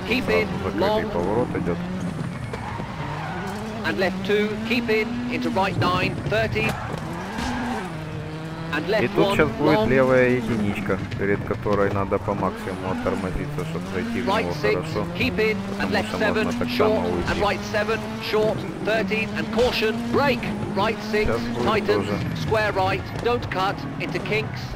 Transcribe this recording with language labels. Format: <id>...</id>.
<en>keep in, long, and left 2, keep in, into right 9, 30. And left 1, long.</en> <ru>И тут сейчас будет левая единичка, перед которой надо по максимуму оттормозиться, чтобы зайти в него хорошо.</ru> <en>Keep in, and left 7, short, and right 7, short, 30, and caution, break, right 6, tightens, square right, don't cut, into kinks,</en>